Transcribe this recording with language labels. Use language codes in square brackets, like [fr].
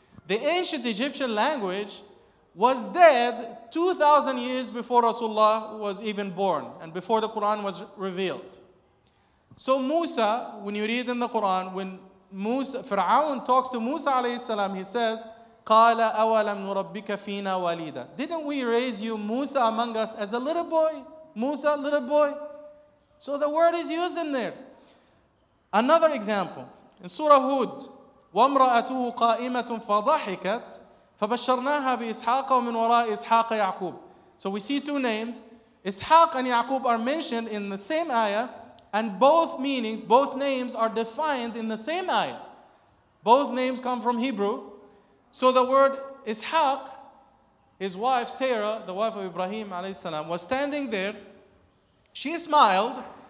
[en] The ancient Egyptian language was dead 2,000 years before Rasulullah was even born and before the Quran was revealed. So Musa, when you read in the Quran, when Musa, Fir'aun talks to Musa alayhi salam, he says, [ar] قال أولم نربك فينا وليدا. [en] Didn't we raise you Musa among us as a little boy? Musa, little boy. So the word is used in there. Another example. In Surah Hud, [ar] وامرأته قائمة فضحكت فبشرناها بإسحاق ومن وراء إسحاق يعقوب. [en] So we see two names. Ishaq and Yaqub are mentioned in the same ayah, and both meanings, both names are defined in the same ayah. Both names come from Hebrew. So the word Ishaq, his wife Sarah, the wife of Ibrahim alayhi salam, was standing there. She smiled.